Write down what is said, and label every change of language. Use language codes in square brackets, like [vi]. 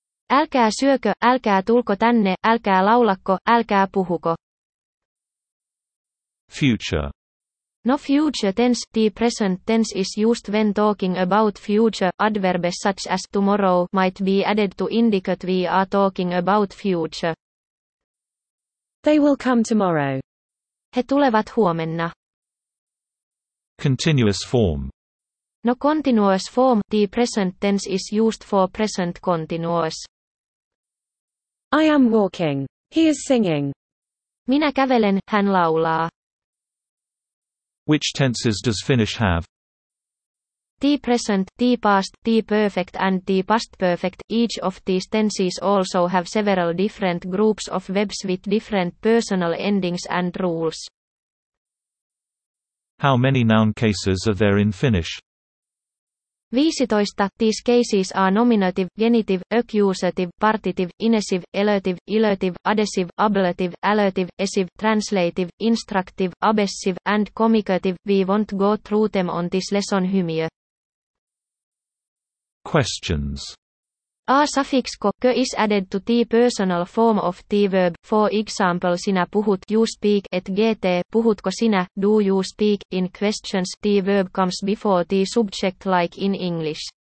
[fi] Älkää syökö, älkää tulko tänne, älkää laulakko, älkää puhuko. [en] Future. No future tense, the present tense is used when talking about future, adverbs such as tomorrow might be added to indicate we are talking about future. They will come tomorrow. [fi] He tulevat huomenna. [en] Continuous form. No continuous form, the present tense is used for present continuous. I am walking. He is singing. [fi] Minä kävelen, hän laulaa. [en] Which tenses does finish have? The present, the past, the perfect and the past perfect. Each of these tenses also have several different groups of verbs with different personal endings and rules. How many noun cases are there in Finnish? 15. These cases are nominative, genitive, accusative, partitive, inessive, elative, illative, adhesive, ablative, allative, essive, translative, instructive, abessive, and communicative. We won't go through them on this lesson hymie. Questions. A suffix ko, kö is added to the personal form of the verb. For example, [fi] sinä puhut, [en] you speak, et GT, [fi] puhutko sinä, [en] do you speak. In questions, the verb comes before the subject like in English.